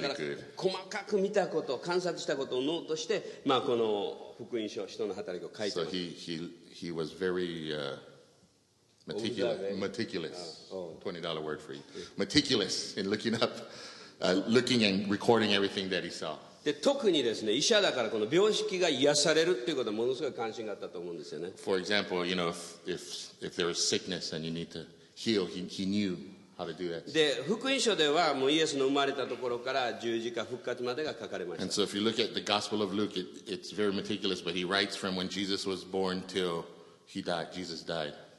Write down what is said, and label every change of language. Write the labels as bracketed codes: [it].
[ja] だから細かく見たこと、観察したことをノートして、まあこの福音書、使徒の働きを書いてます。 [en] So he was very. Meticulous. $20 word for you. Meticulous in looking up, looking and recording everything that he saw. [ja] で、特にですね、医者だからこの病識が癒されるっていうことはものすごい関心があったと思うんですよね。 [en] For example, you know, if there is sickness and you need to heal, he knew how to do that. [ja] で、福音書ではもうイエスの生まれたところから十字架復活までが書かれました。 [en] And so if you look at the Gospel of Luke, it's very meticulous, but he writes from when Jesus was born till he died, Jesus died.